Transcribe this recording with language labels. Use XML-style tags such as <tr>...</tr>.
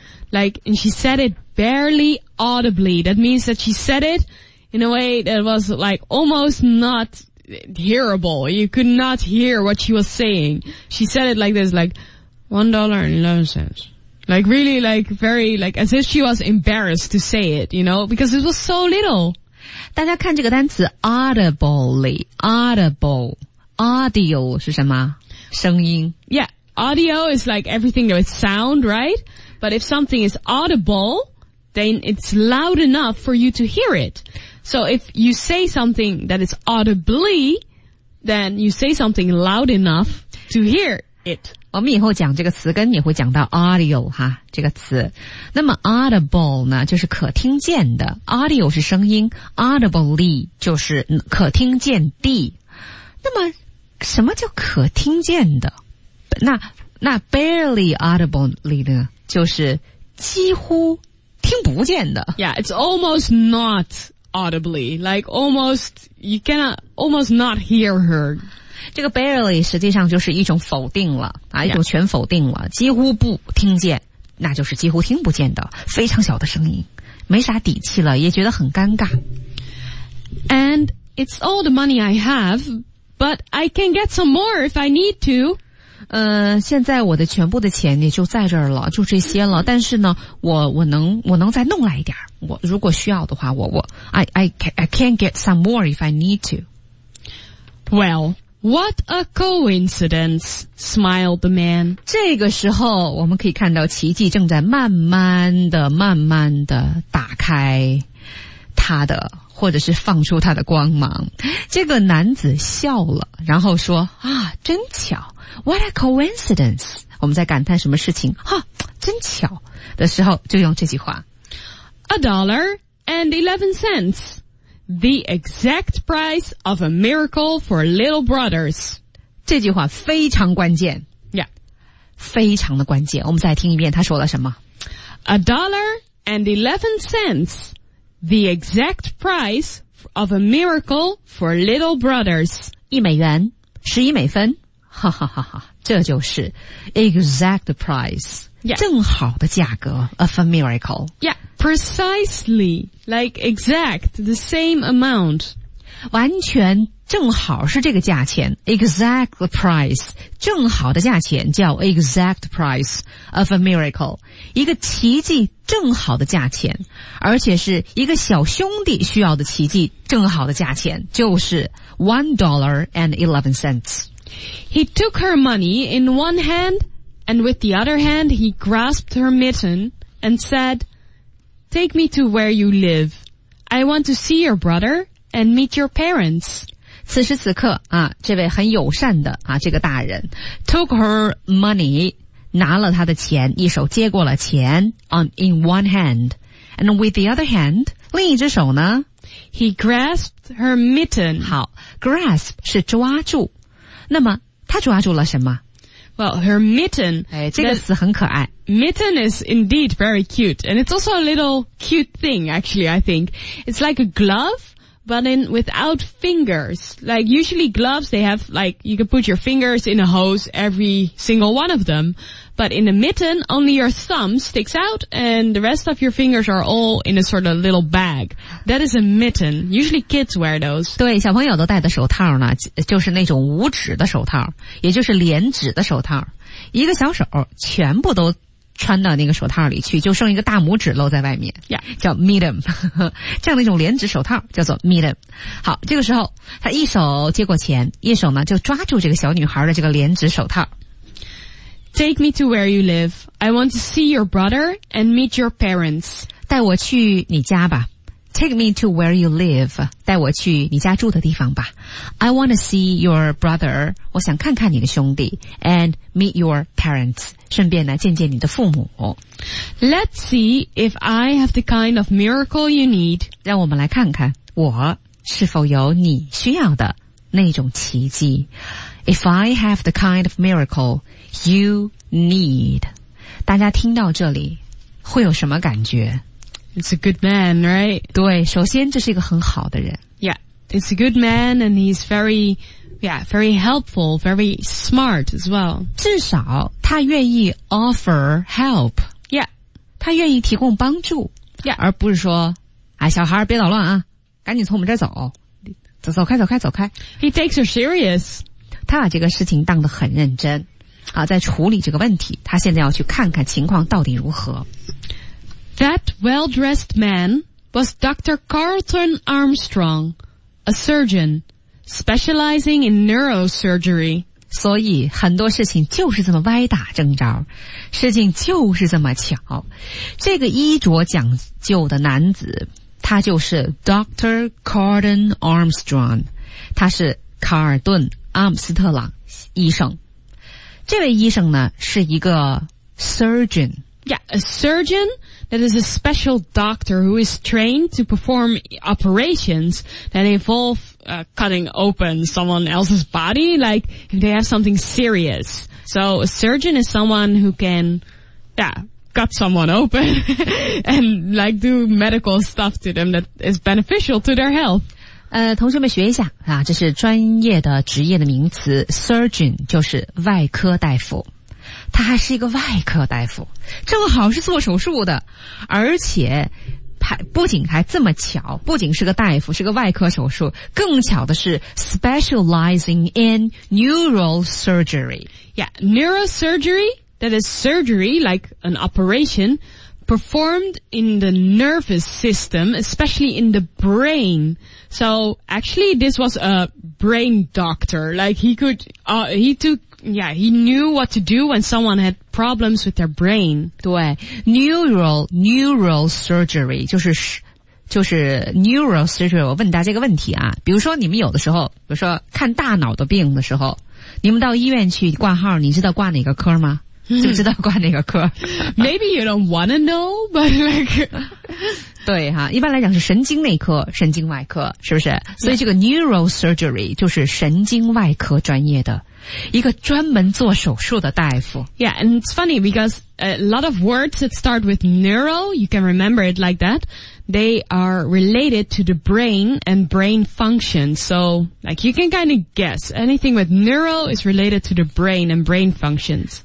<en>Like, and she said it barely audibly. That means that she said it in a way that was like almost not hearable. You could not hear what she was saying. She said it like this, like $1.11. Like really, like very, like as if she was embarrassed to say it, you know, because it was so little.</en> <zh>大家看这个单词 audibly, audible, audio 是什么？声音。</zh> <en>Yeah, audio is like everything that is sound, right? But if something is audible, then it's loud enough for you to hear it. So if you say something that is audibly, then you say something loud enough to hear it.</en> <zh>我们以后讲这个词根也会讲到 audio 哈，这个词。那么 audible 呢，就是可听见的 ，audio 是声音 ，audibly 就是可听见的。那么什么叫可听见的？那 barely audibly 呢，就是几乎听不见的。 Yeah, it's almost not audibly, like almost you cannot almost not hear her. 这个 barely 实际上就是一种否定了啊，一种全否定了，几乎不听见，那就是几乎听不见的非常小的声音，没啥底气了，也觉得很尴尬。</zh> <en>And it's all the money I have, but I can get some more if I need to.</en> <zh>现在我的全部的钱也就在这儿了，就这些了。但是呢，我能再弄来一点，我如果需要的话，</zh> <en>I can get some more if I need to. Well. What a coincidence, smiled the man.</en> <zh>这个时候我们可以看到奇迹正在慢慢的慢慢的打开他的或者是放出他的光芒。这个男子笑了然后说啊真巧 ,</zh> <en>What a coincidence.</en> <zh>我们在感叹什么事情啊真巧的时候就用这句话。</zh> <en>A dollar and 11 cents. The exact price of a miracle for little brothers.</en> <zh>这句话非常关键。</zh> <en>Yeah.</en> <zh>非常的关键。我们再听一遍他说了什么。</zh> <en>A dollar and 11 cents. The exact price of a miracle for little brothers.</en> <zh>一美元十一美分。哈哈哈哈。这就是 exact price.</zh> <en>Yeah.</en> <zh>正好的价格</zh> <en>of a miracle. Yeah, precisely, like exact, the same amount.</en> <zh>完全正好是这个价钱 exact price, 正好的价钱叫 exact price of a miracle. 一个奇迹正好的价钱而且是一个小兄弟需要的奇迹正好的价钱就是 $1.11.</zh> <en>He took her money in one hand,And with the other hand, he grasped her mitten and said, Take me to where you live. I want to see your brother and meet your parents.</en> <zh>此时此刻啊，这位很友善的啊，这个大人</zh> <en>took her money,</en> <zh>拿了他的钱，一手接过了钱</zh> <en>in one hand. And with the other hand,</en> <zh>另一只手呢</zh> <en>He grasped her mitten.</en> <zh>好 ,grasp 是抓住。那么他抓住了什么</zh> <en>Well, her mitten.</en> <zh>哎，这个词很可爱。</zh> <en>Mitten is indeed very cute, and it's also a little cute thing, actually, I think. It's like a glove, but in without fingers. Like, usually gloves, they have, like, you can put your fingers in a hose, every single one of them. But in a mitten, only your thumb sticks out, and the rest of your fingers are all in a sort of little bag. That is a mitten. Usually kids wear those.</en> <zh>对，小朋友都戴的手套呢，就是那种五指的手套，也就是连指的手套。一个小手全部都穿到那个手套里去，就剩一个大拇指露在外面。</zh> <en>Yeah.</en> <zh>叫 mitten. 这样的一种连指手套叫做 mitten. 好，这个时候，他一手接过钱，一手呢，就抓住这个小女孩的这个连指手套。</zh> <en>Take me to where you live. I want to see your brother and meet your parents.</en> <zh>带我去你家吧。</zh> <en>Take me to where you live.</en> <zh>带我去你家住的地方吧。</zh> <en>I want to see your brother.</en> <zh>我想看看你的兄弟。</zh> <en>And meet your parents.</en> <zh>顺便呢见见你的父母。</zh> <en>Let's see if I have the kind of miracle you need.</en> <zh>让我们来看看我是否有你需要的那种奇迹。</zh> <en>If I have the kind of miracle you need.</en> <zh>大家听到这里会有什么感觉？</zh> <en>It's a good man, right?</en> <zh>对，首先这是一个很好的人。</zh> <en>Yeah, it's a good man and he's very, yeah, very helpful, very smart as well.</en> <zh>至少他愿意</zh> <en>offer help. Yeah.</en> <zh>他愿意提供帮助。</zh> <en>Yeah.</en> <zh>而不是说，哎，小孩别捣乱啊，赶紧从我们这儿走。走开走开走开。</zh> <en>He takes her serious.</en> <zh>他把这个事情当得很认真。啊，在处理这个问题，他现在要去看看情况到底如何。</zh> <en>That well-dressed man was Dr. Carlton Armstrong, a surgeon specializing in neurosurgery.</en> <zh>所以很多事情就是这么歪打正着，事情就是这么巧。这个衣着讲究的男子，他就是 Dr. Carlton Armstrong， 他是卡尔顿·阿姆斯特朗医生。这位医生呢，是一个 surgeon。</zh> <en>Yeah, a surgeon, that is a special doctor who is trained to perform operations that involve, cutting open someone else's body, like if they have something serious. So a surgeon is someone who can, yeah, cut someone open and like do medical stuff to them that is beneficial to their health.</en> <zh>同学们学一下啊，这是专业的职业的名词 ,surgeon 就是外科大夫。他还是一个外科大夫，正好是做手术的，而且不仅还这么巧，不仅是个大夫，是个外科手术，更巧的是</zh> <en>specializing in neural surgery. Yeah, neurosurgery, that is surgery like an operation performed in the nervous system, especially in the brain. So actually this was a brain doctor, like he could, Yeah, he knew what to do when someone had problems with their brain.</en> <zh>对 ,neural surgery, 就是 neural surgery, 我问大家一个问题啊，比如说你们有的时候，比如说看大脑的病的时候，你们到医院去挂号，你知道挂哪个科吗？就知道挂哪个科。</zh> <en>Maybe you don't wanna know, but like...</en> <zh>对哈，一般来讲是神经内科、神经外科，是不是？所以这个 neural surgery 就是神经外科专业的。一个专门做手术的大夫。</zh> <en>Yeah, and it's funny because a lot of words that start with neuro, you can remember it like that, they are related to the brain and brain function. So, like, you can kind of guess. Anything with neuro is related to the brain and brain functions.</en>